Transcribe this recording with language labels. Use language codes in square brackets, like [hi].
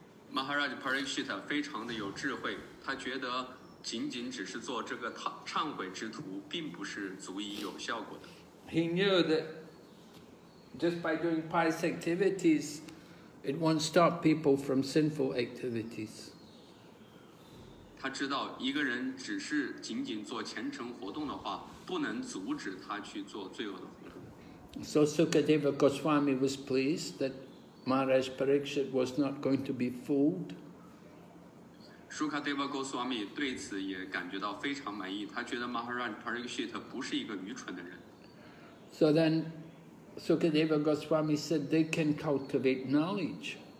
[zh] Maharaj Parikshit 非常的有智慧，他觉得仅仅只是做这个忏悔之徒并不是足以有效果的。 [en] He knew that just by doing pious activities, it won't stop people from sinful activities. [zh] 他知道一个人只是仅仅做虔诚活动的话，不能阻止他去做罪恶的活动。 [en] So Sukadeva Goswami was pleased that Maharaj Parikshit was not going to be fooled. [zh] Sukadeva Goswami 对此也感觉到非常满意，他觉得 Maharaj Parikshit 不是一个愚蠢的人。 [en] So then Sukadeva Goswami said they can cultivate knowledge.